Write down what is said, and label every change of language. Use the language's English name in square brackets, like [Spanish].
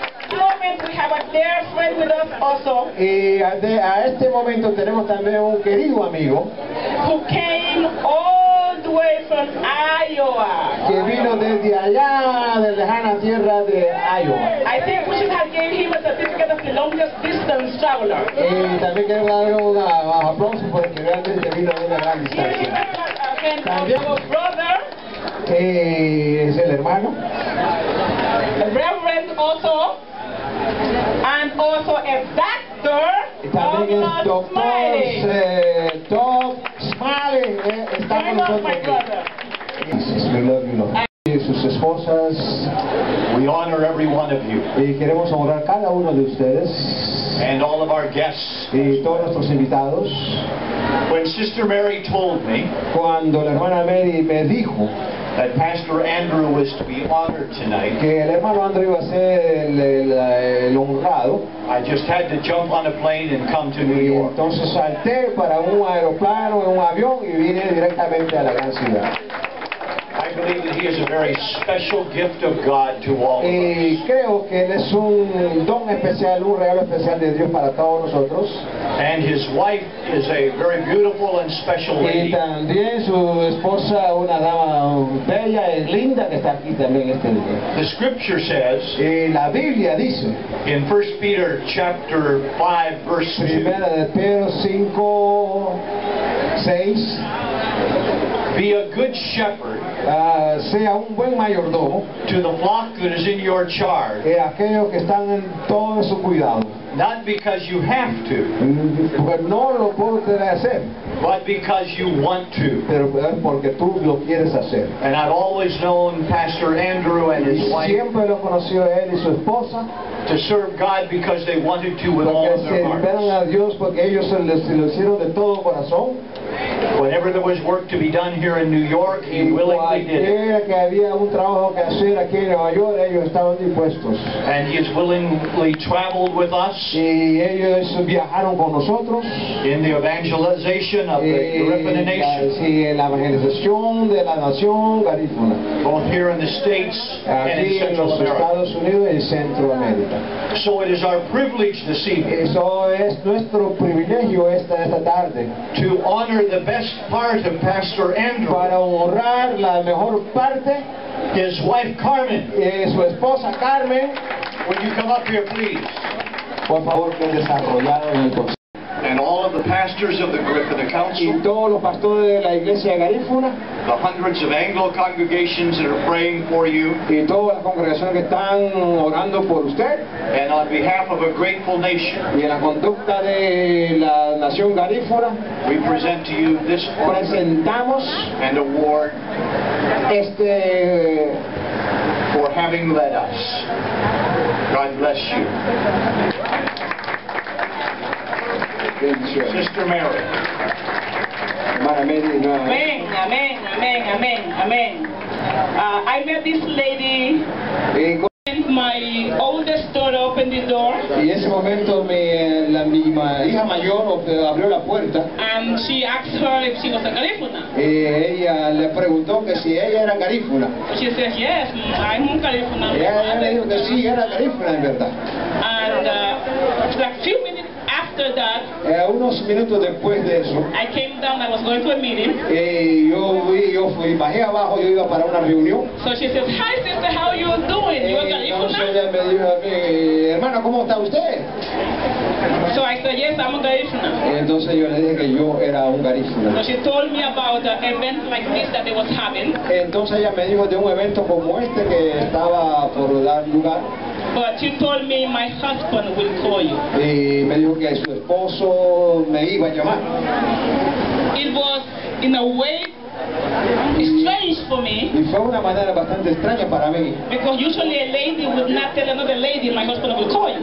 [English] We have a dear friend with us also. [Spanish] Y a este momento tenemos también un querido amigo [English] who came all the way from Iowa. [Spanish] Que vino desde allá, de lejana tierra de Iowa. [English] I think we should have gave him a certificate of the longest distance traveler. [Spanish] Y también queremos dar un aplauso porque realmente vino de una gran distancia. [English] Yes, [Spanish] también [English] our brother. [Spanish] Es el hermano. [English] A reverend also. And also a doctor, [Spanish] también el doctor Tom Smiley, está con nosotros. [English] We love you, Lord. [Spanish] Y sus esposas. [English] We honor every one of you. [Spanish] Y queremos honrar cada uno de ustedes. [English] And all of our guests. [Spanish] Y todos nuestros invitados. [English] When Sister Mary told me. [Spanish] Cuando la hermana Mary me dijo. [English] That Pastor Andrew was to be honored tonight. [Spanish] Que el hermano Andrew iba a ser el honrado. [English] I just had to jump on a plane and come to New York. [Spanish] Entonces salté para un aeroplano, un avión y vine directamente a la gran ciudad. [English] I believe that he is a very special gift of God to all of us. [Spanish] Y creo que él es un don especial, un regalo especial de Dios para todos nosotros. [English] And his wife is a very beautiful and special lady. [Spanish] Y también su esposa, una dama bella y linda que está aquí también este día. [English] The scripture says. [Spanish] Y la Biblia dice. [English] In 1 Peter chapter 5 verse 2. [Spanish] Primera de Pedro 5, 6. [English] Be a good shepherd. [Spanish] Sea un buen mayordomo. [English] To the flock that is in your charge. [Spanish] Y aquellos que están en todo su cuidado. [English] Not because you have to. [Spanish] Pero no lo puedes hacer. [English] But because you want to. [Spanish] Pero es porque tú lo quieres hacer. [English] And I've always known Pastor Andrew and his wife. [Spanish] Siempre lo conoció él y su esposa. [English] To serve God because they wanted to with all of their hearts. [Spanish] Porque sirven a Dios porque ellos lo hicieron de todo corazón. [English] Whatever there was work to be done here in New York, he willingly did it. [Spanish] Cualquiera que había un trabajo que hacer aquí en Nueva York, ellos estaban dispuestos. [English] And he has willingly traveled with us. [Spanish] Y ellos viajaron con nosotros. [English] In the evangelization of the Garifuna Nation. [Spanish] Sí, en la evangelización de la nación Garifuna. [English] Both here in the States [Spanish] aquí [English] and in Central [Spanish] los [English] America. [Spanish] Estados Unidos y Centroamérica. [English] So it is our privilege this evening. [Spanish] Eso es nuestro privilegio esta tarde. [English] To honor the best part of Pastor Andrew. [Spanish] Para honrar la mejor parte, [English] his wife Carmen. [Spanish] Su esposa Carmen. [English] Would you come up here, please? [Spanish] Por favor, que desarrollaron el consejo. [English] And all of the pastors of the Garifuna Council. [Spanish] Y todos los pastores de la iglesia Garifuna. [English] The hundreds of Anglo congregations that are praying for you. [Spanish] Y todas las congregaciones que están orando por usted. [English] And on behalf of a grateful nation. [Spanish] Y en la conducta de la nación Garifuna. [English] We present to you this honor. [Spanish] Presentamos. [English] And award. [Spanish] Este. [English] For having led us. God bless you. Sister Mary. Amen. I met this lady. And my oldest daughter opened the door. [Spanish] Y ese momento mi hija mayor abrió la puerta. [English] And she asked her if she was a Garifuna. [Spanish] Ella le preguntó que si ella era Garifuna. [English] She said yes, I'm a Garifuna. [Spanish] Ella le dijo que sí, era Garifuna en verdad. [English] And like few minutes. After that, [Spanish] unos minutos después de eso, [English] I came down. I was going to a meeting. [Spanish] Yo fui bajé abajo. Yo iba para una reunión. [English] So she says, "Hi, sister, how you doing? You are Garifuna?" [Spanish] Entonces ella me dijo a mí, hermana, ¿cómo está usted? [English] So I said, "Yes, I'm a Garifuna." [Spanish] Entonces yo le dije que yo era un Garifuna. [English] So she told me about an event like this that they was having. [Spanish] Entonces ella me dijo de un evento como este que estaba por dar lugar. [English] But she told me my husband will call you. [Spanish] Y me dijo que su esposo me iba a llamar. [English] It was in a way strange for me. [Spanish] Y fue una manera bastante extraña para mí. [English] Because usually a lady would not tell another lady my husband will call you.